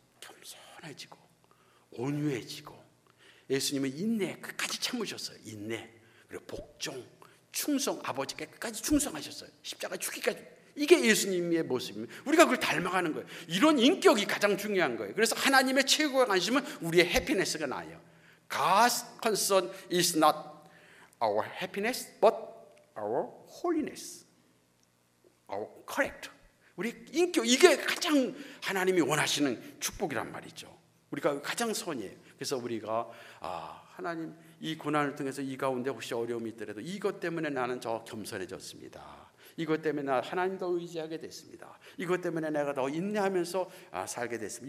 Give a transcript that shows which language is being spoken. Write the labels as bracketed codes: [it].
[ko] 겸손해지고 온유해지고 예수님은 인내 끝까지 참으셨어요. 인내 그리고 복종 충성 아버지께 끝까지 충성하셨어요. 십자가 죽기까지 이게 예수님의 모습입니다. 우리가 그걸 닮아가는 거예요. 이런 인격이 가장 중요한 거예요. 그래서 하나님의 최고의 관심은 우리의 해피니스가 나아요. [en] God's concern is not our happiness but our holiness. Our character. [ko] 우리 인격 이게 가장 하나님이 원하시는 축복이란 말이죠. 우리가 가장 선이에요. 그래서 우리가 하나님 이 고난을 통해서 이 가운데 혹시 어려움이 있더라도 이것 때문에 나는 저 겸손해졌습니다. 이것 때문에 나 하나님도 의지하게 됐습니다. 이것 때문에 내가 더 인내하면서 살게 됐습니다.